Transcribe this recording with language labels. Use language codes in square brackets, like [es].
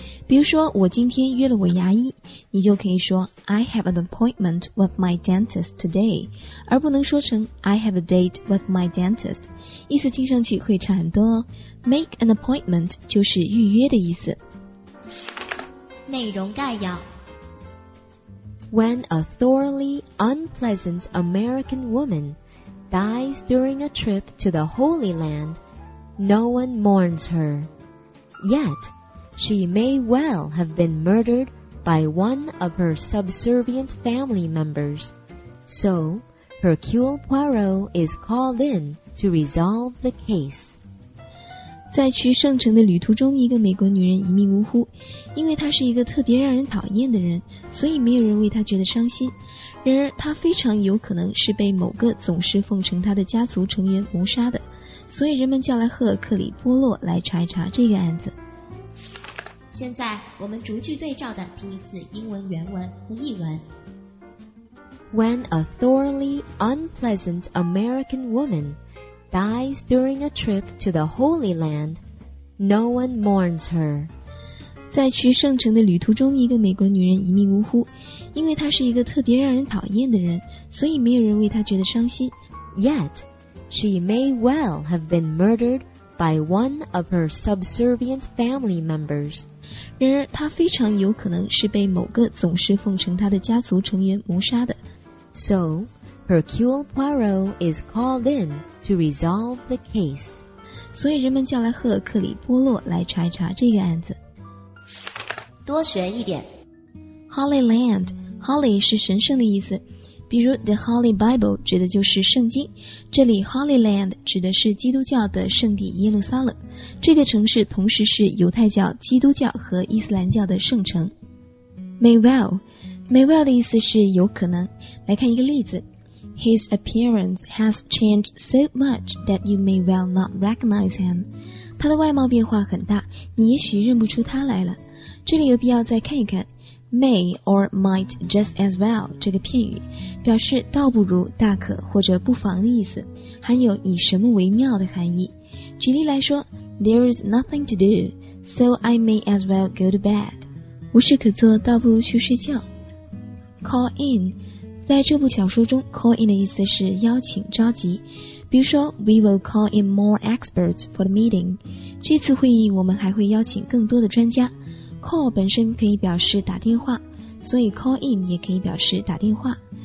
[zh] 比如说，我今天约了我牙医，你就可以说 [en] I have an appointment with my dentist today， [zh] 而不能说成 [en] I have a date with my dentist， [zh] 意思听上去会差很多哦。 Make an appointment 就是预约的意思。内容概要。 [en] When a thoroughly unpleasant American woman dies during a trip to the Holy Land, no one mourns her. Yet, she may well have been murdered by one of her subservient family members. So, Hercule Poirot is called in to resolve the case. [zh] 在去圣城的旅途中，一个美国女人一命呜呼，因为她是一个特别让人讨厌的人，所以没有人为她觉得伤心。然而她非常有可能是被某个总是奉承她的家族成员谋杀的，所以人们叫来赫尔克里·波洛来查一查这个案子。现在我们逐句对照的听一次英文原文和译文。 [en] When a thoroughly unpleasant American womanDies during a trip to the Holy Land, no one mourns her. [zh] 在去圣城的旅途中，一个美国女人一命呜呼，因为她是一个特别让人讨厌的人，所以没有人为她觉得伤心。 [en] Yet, she may well have been murdered by one of her subservient family members. [zh] 然而她非常有可能是被某个总是奉承她的家族成员谋杀的。 [en] So,Hercule Poirot is called in to resolve the case. [zh] 所以人们叫来赫尔克里·波洛来查一查这个案子。多学一点。 Holy Land, Holy 是神圣的意思，比如 The Holy Bible 指的就是圣经，这里 Holy Land 指的是基督教的圣地耶路撒冷，这个城市同时是犹太教、基督教和伊斯兰教的圣城。 May well 的意思是有可能。来看一个例子。 [en] His appearance has changed so much that you may well not recognize him. [zh] 他的外貌变化很大，你也许认不出他来了。这里有必要再看一看 may or might just as well 这个片语，表示倒不如、大可或者不妨的意思，含有以什么为妙的含义。举例来说， [en] There is nothing to do, so I may as well go to bed. [zh] 无事可做，倒不如去睡觉。Call in. 在这部小说中 call in 的意思是邀请、召集，比如说 [en] we will call in more experts for the meeting， [zh] 这次会议我们还会邀请更多的专家。 call 本身可以表示打电话，所以 call in 也可以表示打电话。